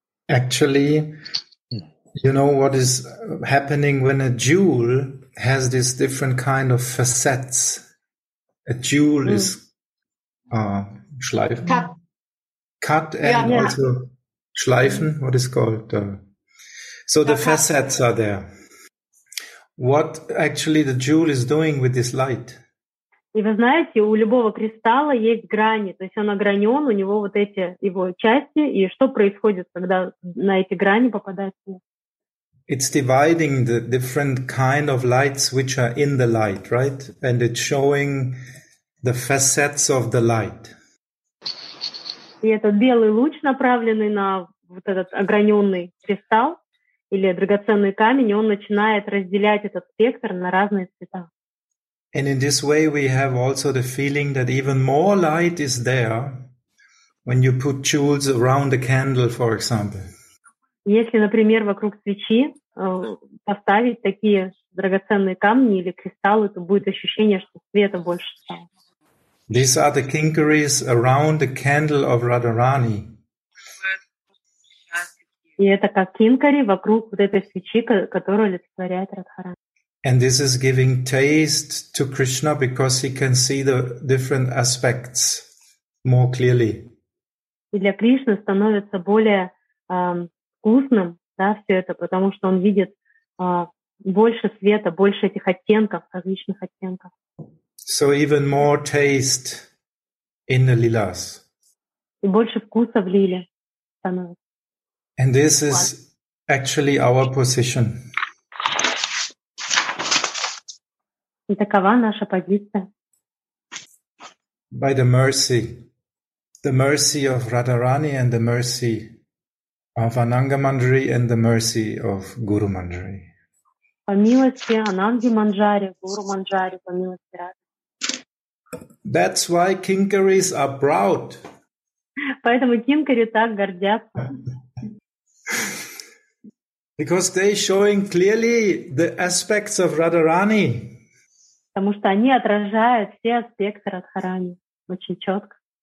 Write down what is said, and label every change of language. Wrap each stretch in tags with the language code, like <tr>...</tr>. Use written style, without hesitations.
<en>Actually, you know what is happening when a jewel has this different kind of facets? A jewel is Schleifen. Cut and also Schleifen, what is called? So the facets are there. What actually the jewel is doing with this light?</en> <ru>И вы знаете, у любого кристалла есть грани, то есть он огранен, у него вот эти его части, и что происходит, когда на эти грани попадает свет?</ru> <en>It's dividing the different kind of lights which are in the light, right? And it's showing the facets of the light.</en> <ru>И этот белый луч, направленный на вот этот ограненный кристалл или драгоценный камень, он начинает разделять этот спектр на разные цвета.</ru> <en>And in this way we have also the feeling that even more light is there when you put jewels around the candle, for example.</en> <ru>Если, например, вокруг свечи поставить такие драгоценные камни или кристаллы, то будет ощущение, что света больше стало.</ru> <en>These are the kinkaris around the candle of Radharani.</en> <ru>И это как кинкари вокруг вот этой свечи, которую олицетворяет Радхарани.</ru> <en>And this is giving taste to Krishna because he can see the different aspects more clearly.</en> <ru>И для Кришны становится более вкусным, да, все это, потому что он видит больше света, больше этих оттенков, различных оттенков.</ru> <en>So even more taste in the lilas.</en> <ru>И больше вкуса в лиле становится.</ru> <en>And this is actually our position.</en> <ru>И такова наша позиция.</ru> <en>By the mercy of Radharani and the mercy Of Ananga Manjari and the mercy of Guru Manjari.</en> <ru>По милости Ананги Манджари, Гуру Манджари, по милости.</ru> <en>That's why Kinkaris are proud.</en> <ru>Поэтому Кинкари так гордятся.</ru> <en>Because they showing clearly the aspects of Radharani.</en> <ru>Потому что они отражают все аспекты Радхарани очень четко.</ru>